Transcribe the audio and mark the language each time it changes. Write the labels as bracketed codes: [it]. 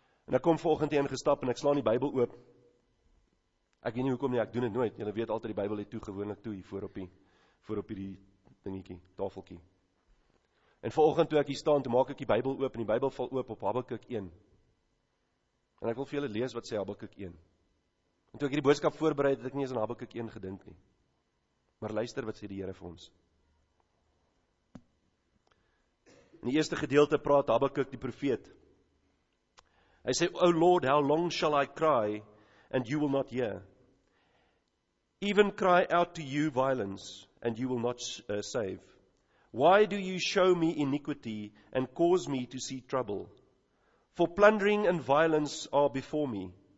[af] En ek kom vanoggend hier ingestap en ek slaan die Bybel oop. Ek weet nie hoekom nie, ek doen dit nooit. Julle weet altyd die Bybel het toe gewoonlik toe hier voor op hierdie dingetjie, tafeltjie. En vanoggend toe ek hier staan, toe maak ek die Bybel oop, en die Bybel val oop op Habakuk 1. En ek wil vir julle lees wat sê Habakuk 1. En toe ek hierdie boodskap voorberei het, het ek nie eens aan Habakuk 1 gedink nie. Maar luister wat sê die Here vir ons. In die eerste gedeelte praat Habakuk die profeet. Hy sê, [en] O Lord, how long shall I cry, and you will not hear? Even cry out to you violence, and you will not save. Why do you show me iniquity and cause me to see trouble? For plundering and violence are before me,